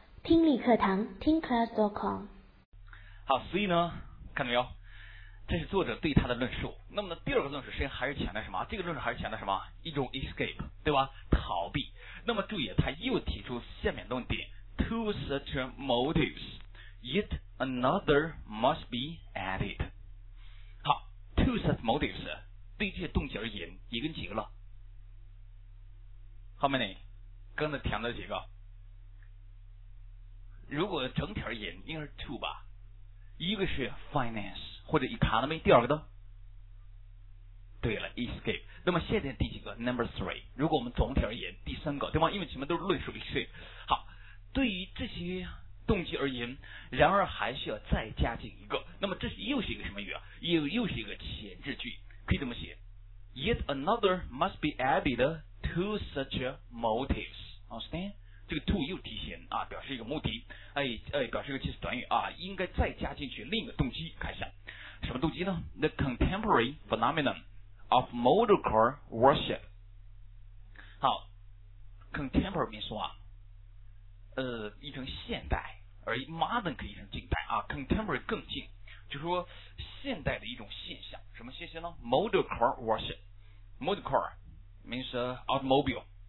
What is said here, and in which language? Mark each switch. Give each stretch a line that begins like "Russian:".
Chinese: 听力课堂，听 class.com。好，所以呢，看到没有？这是作者对他的论述。那么呢，第二个论述实际上还是强调什么？这个论述还是强调什么？一种 escape， 对吧？逃避。那么注意，他又提出下面论点 ：
English: two such motives， yet another must be added。
Chinese: 好 ，
English: two such motives，
Chinese: 对这些动机而言，一跟几个了？后面呢？刚才填了几个？如果整体而言，应该是 two 吧。一个是 finance 或者 economy， 第二个的，对了 ，escape。那么现在第几个 ？
English: Number three。
Chinese: 如果我们总体而言，第三个，对吗？因为前面都是论述 escape。好，对于这些动机而言，然而还需要再加进一个。那么这是又是一个什么语啊？又是一个前置句，可以这么写 ：
English: Yet another must be added to such motives。 Understand？
Chinese: 这个 to 又提前啊，表示一个目的，表示一个介词短语啊，应该再加进去另一个动机，看一下，什么动机呢 ？
English: The contemporary phenomenon of motor car worship。
Chinese: 好 ，contemporary 名词啊，译成现代，而 modern 可以译成近代啊 ，contemporary 更近，就说现代的一种现象，什么现象呢 ？
English: Motor car worship，
Chinese: motor car 名词 automobile。